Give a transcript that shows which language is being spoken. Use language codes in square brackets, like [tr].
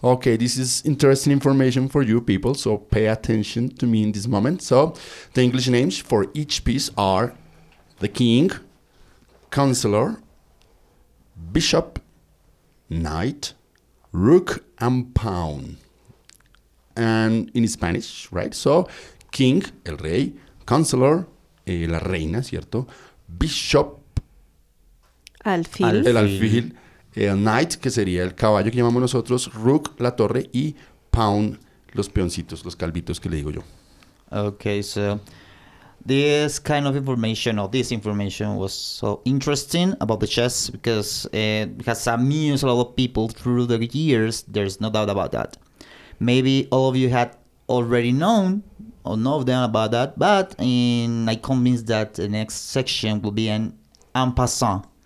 [en] Okay, this is interesting information for you people, so pay attention to me in this moment. So, the English names for each piece are the king, counselor, bishop, knight, rook, and pawn. And in Spanish, right? [es] So, king, el rey, counselor, la reina, ¿cierto? [en] Bishop, [es] alfil. El alfil, el knight, que sería el caballo que llamamos nosotros, rook, la torre, y pawn, los peoncitos, los calvitos que le digo yo. [en] Okay, so this kind of information, or this information, was so interesting about the chess because it has amused a lot of people through the years. There's no doubt about that. maybe all of you had already known or know of them about that, but I convinced that the next section will be an en passant.